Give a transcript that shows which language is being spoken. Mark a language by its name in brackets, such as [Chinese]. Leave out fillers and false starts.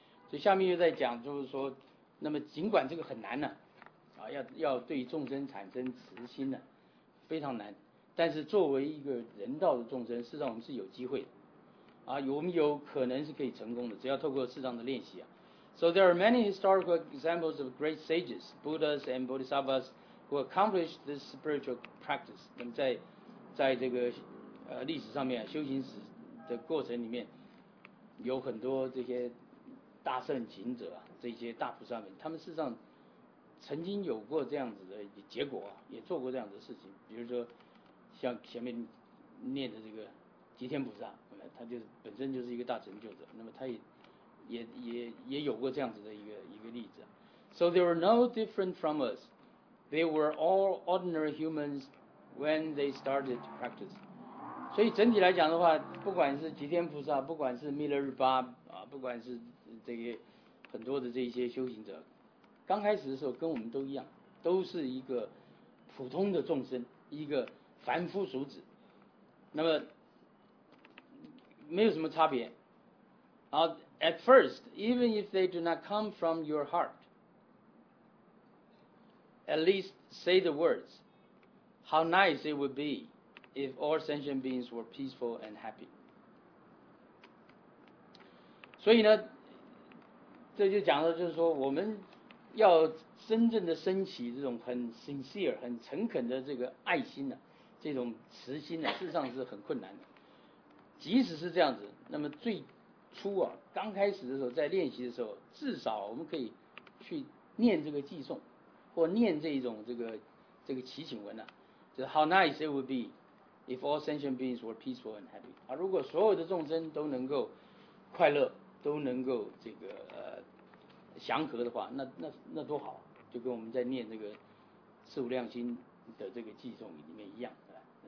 [Chinese] 所以下面又在讲，就是说，那么尽管这个很难呢、啊，啊，要对众生产生慈心呢、啊，非常难。但是作为一个人道的众生，事实上我们是有机会的。啊，我们有可能是可以成功的，只要透过适当的练习啊。 [English] So there are many historical examples of great sages, Buddhas and Bodhisattvas who accomplished this spiritual practice. [Chinese] 那么在这个历史上面、啊、修行史的过程里面，有很多这些大圣行者啊，这些大菩萨们，他们事实上曾经有过这样子的结果啊，也做过这样的事情。比如说像前面念的这个吉天菩萨。他就本身就是一个大成就者，那么他也有过这样子的一个例子。 [English] So they were no different from us. They were all ordinary humans when they started to practice. [Chinese] 所以整体来讲的话，不管是吉天菩萨，不管是密勒日巴啊，不管是这个很多的这些修行者，刚开始的时候跟我们都一样，都是一个普通的众生，一个凡夫俗子。那么没有什么差别。 [English] At first, even if they do not come from your heart, at least say the words, How nice it would be if all sentient beings were peaceful and happy. [Chinese] 所以呢，这就讲到就是说，我们要真正的升起这种很 sincere、很诚恳的这个爱心呢、啊，这种慈心呢、啊，事实上是很困难的。即使是这样子，那么最初啊，刚开始的时候，在练习的时候，至少我们可以去念这个偈颂，或念这一种这个祈请文呢、啊，就是 [English] How nice it would be if all sentient beings were peaceful and happy [Chinese] 啊，如果所有的众生都能够快乐，都能够这个祥和的话，那多好，就跟我们在念这个四无量心的这个偈颂里面一样，对吧？